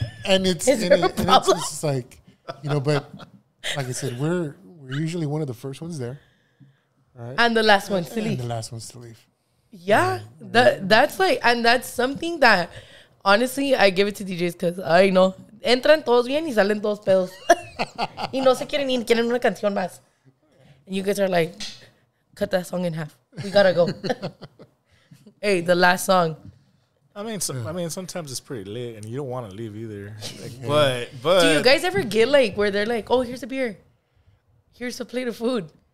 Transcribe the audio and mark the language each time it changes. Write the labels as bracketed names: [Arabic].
[English] And it's like, you know, but like I said, we're usually one of the first ones there. Right? And the last ones to leave. And the last ones to leave. Yeah. That's like, and that's something that, honestly, I give it to DJs because I know. [Spanish] Entran todos bien y salen todos pedos. Y no se quieren ir, quieren una canción más. [English] You guys are like, cut that song in half. We gotta go. Hey, the last song. I mean, sometimes it's pretty lit, and you don't want to leave either. Like, yeah. But do you guys ever get like where they're like, oh, here's a beer, here's a plate of food?